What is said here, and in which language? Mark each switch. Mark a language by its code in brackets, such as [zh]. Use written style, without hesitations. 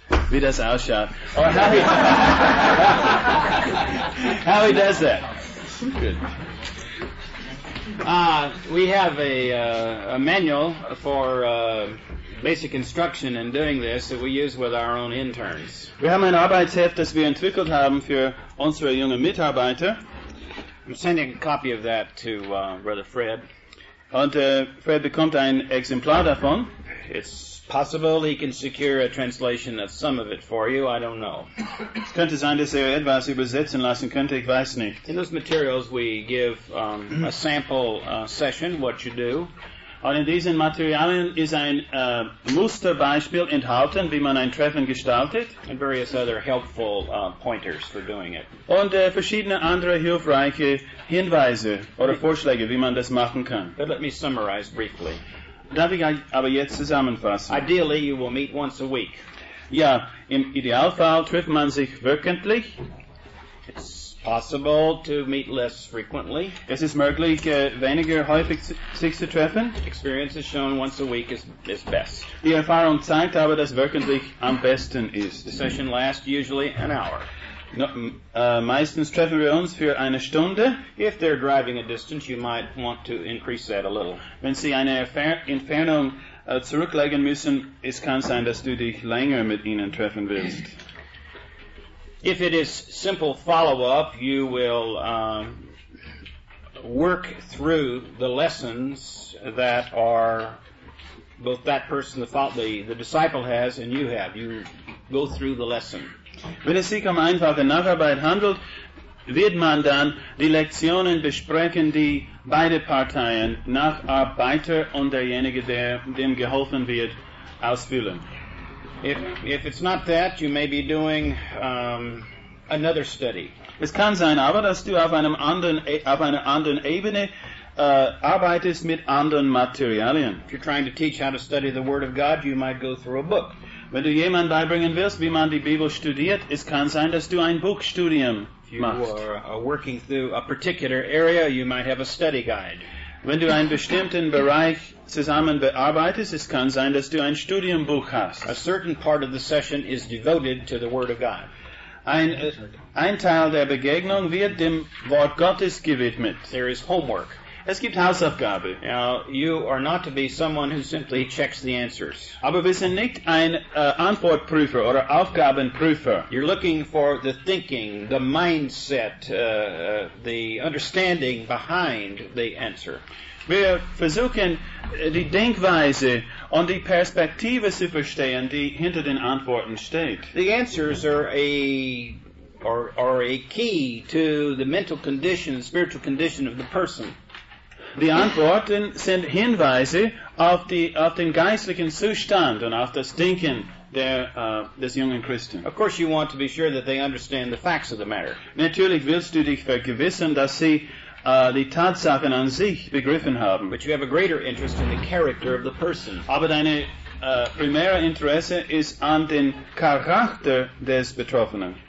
[de] Wie das ausschaut. [en] Or how he, how he does that. Good. We have a manual for basic instruction in doing this that we use with our own interns. [de] Wir haben ein Arbeitsheft, das wir entwickelt haben für unsere jungen Mitarbeiter. [en] I'm sending a copy of that to Brother Fred. [de] Und Fred bekommt ein Exemplar davon. [en] It's possible he can secure a translation of some of it for you. I don't know. [de] Es könnte sein, dass etwas übersetzen lassen könnte. Ich weiß nicht. [en] In those materials, we give a sample session, what you do. [de] Und in diesen Materialien ist ein Musterbeispiel enthalten, wie man ein Treffen gestaltet. [en] And various other helpful pointers for doing it. [de] Und verschiedene andere hilfreiche Hinweise oder Vorschläge, wie man das machen kann. [en] But let me summarize briefly. [de] Darf ich aber jetzt zusammenfassen? [en] Ideally, you will meet once a week. [de] Ja, im Idealfall trifft man sich wöchentlich. [en] It's possible to meet less frequently. [de] Es ist möglich, weniger häufig sich zu treffen. [en] Experience has shown once a week is best. [de] Die Erfahrung zeigt aber, dass wöchentlich am besten ist. [en] The session lasts usually an hour. [de] No, meistens treffen wir uns für eine Stunde. [en] If they're driving a distance, you might want to increase that a little. [de] Wenn sie eine Entfernung zurücklegen müssen, es kann sein, dass du dich länger mit ihnen treffen willst. [en] If it is simple follow-up, you will work through the lessons that are both that person, the disciple has, and you have. You go through the lesson. [de] Wenn es sich um einfache Nacharbeit handelt, wird man dann die Lektionen besprechen, die beide Parteien, Nacharbeiter und derjenige, der dem geholfen wird, ausfüllen. [en] If it's not that, you may be doing another study. [de] Es kann sein aber, dass du auf einer anderen Ebene arbeitest mit anderen Materialien. [en] If you're trying to teach how to study the Word of God, you might go through a book. [de] Wenn du jemand beibringen willst, wie man die Bibel studiert, es kann sein, dass du ein Buchstudium machst. [en] If you are working through a particular area, you might have a study guide. [de] Wenn du einen bestimmten Bereich zusammen bearbeitest, es kann sein, dass du ein Studienbuch hast. [en] A certain part of the session is devoted to the Word of God. [de] Ein Teil der Begegnung wird dem Wort Gottes gewidmet. [en] There is homework. [de] Es gibt Hausaufgabe. [en] Now, you are not to be someone who simply checks the answers. [de] Aber wir sind nicht ein Antwortprüfer oder Aufgabenprüfer. [en] You're looking for the thinking, the mindset, the understanding behind the answer. [de] Wir versuchen, die Denkweise und die Perspektive zu verstehen, die hinter den Antworten steht. [en] The answers are a key to the mental condition, spiritual condition of the person. [de] Die Antworten sind Hinweise auf den geistlichen Zustand und auf das Denken des jungen Christen. [en] Of course you want to be sure that they understand the facts of the matter. [de] Natürlich willst du dich vergewissern, dass sie die Tatsachen an sich begriffen haben. [en] But you have a greater interest in the character of the person. [de] Aber deine primäre Interesse ist an den Charakter des Betroffenen.